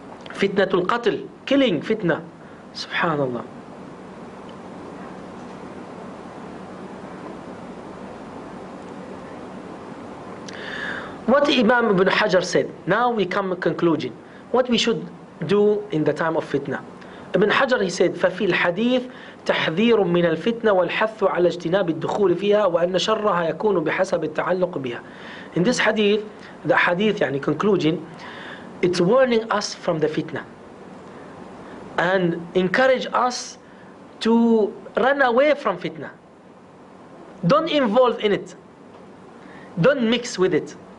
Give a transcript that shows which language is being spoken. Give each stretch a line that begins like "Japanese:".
English: Fitna to qatl, killing fitna. Subhanallah. What Imam Ibn Hajar said, now we come to conclusion. What we should do in the time of fitna. Ibn Hajar, he said,
Arabic: ففي الحديث تحذير من الفتنة والحث على اجتناب الدخول فيها وأن شرها يكون بحسب التعلق بها.
English: In this hadith, the hadith, يعني concluding, it's warning us from the fitna and encourage us to run away from fitna. Don't involve in it. Don't mix with it.